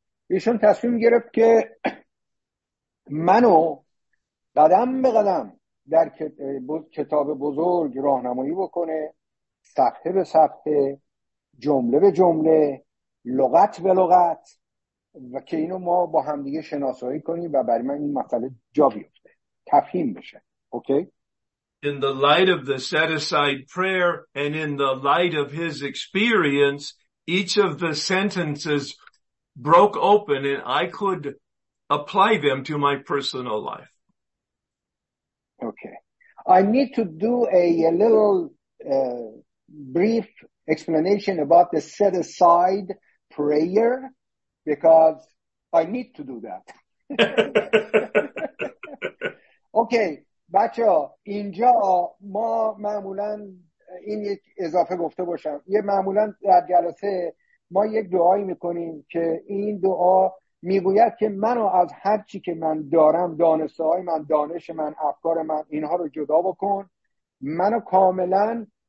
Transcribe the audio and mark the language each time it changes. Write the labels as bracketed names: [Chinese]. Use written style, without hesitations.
[Persian] ایشون تصمیم گرفت که منو قدم به قدم در کتاب بزرگ راهنمایی بکنه، صفحه به صفحه، جمله به جمله، لغت به لغت، و که اینو ما با هم دیگه شناسایی کنیم و برای من این مسئله جا بیفته، تفهیم بشه. [English] Okay. In the light of the set aside prayer and in the light of his experience, each of the sentences broke open and I could apply them to my personal life. Okay. I need to do a little brief explanation about the set aside prayer because I need to do that. [Persian] Okay, بچه‌ها، اینجا ما معمولاً این یک اضافه گفته باشم. یه معمولا در جلسه ما یک دعایی میکنیم که این دعا میگوید که منو از هر چی که من دارم، دانسته های من، دانش من، افکار من، اینها رو جدا بکن، منو کاملا